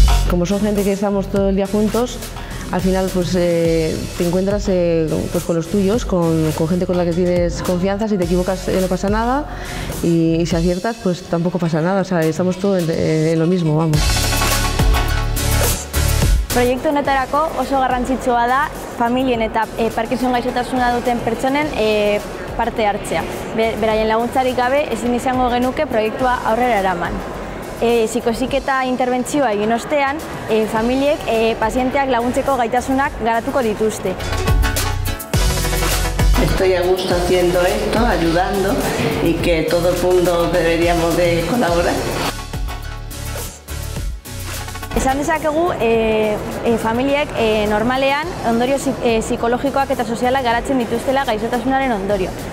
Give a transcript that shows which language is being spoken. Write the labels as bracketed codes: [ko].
[es] Como son gente que estamos todo el día juntos, al final pues te encuentras pues con los tuyos, con gente con la que tienes confianza, si te equivocas no pasa nada y si aciertas pues tampoco pasa nada, o sea, estamos todos en lo mismo, vamos. [eu] Proiektu honetarako oso garrantzitsua da familien eta Parkinson gaixotasuna duten pertsonen parte hartzea. Beraien laguntzarik gabe ezin izango genuke proiektua aurrera eraman. Psikoziketa interbentzioa egin ostean, familiek pazienteak laguntzeko gaitasunak garatuko dituzte. [es] Estoy a gusto haciendo esto, ayudando, y que todo el mundo deberíamos de colaborar. [eu] Esan dezakegu, familiek normalean ondorio psikologikoak eta sozialak garatzen dituztela gaixotasunaren ondorio.